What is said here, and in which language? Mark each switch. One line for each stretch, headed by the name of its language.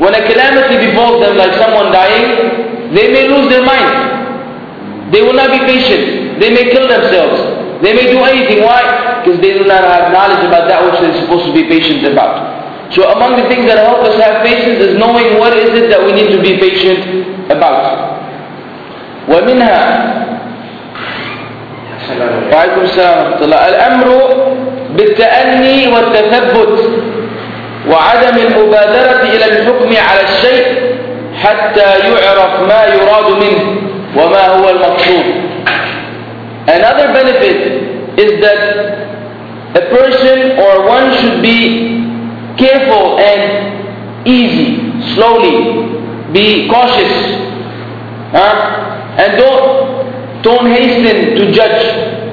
English: When a calamity befalls them, like someone dying, they may lose their mind. They will not be patient. They may kill themselves. They may do anything. Why? Because they do not have be patient about. So among the things that help us have patience is knowing what is it that we need to be patient about.
Arabic: ومنها وعليكم السلام ورحمة الله الأمر بالتأني والتثبت وعدم المبادرة إلى الحكم على الشيء حتى يعرف ما يراد منه وما هو المقصود.
English: Another benefit is that a person or one should be careful and easy, slowly, be cautious, and don't hasten to judge.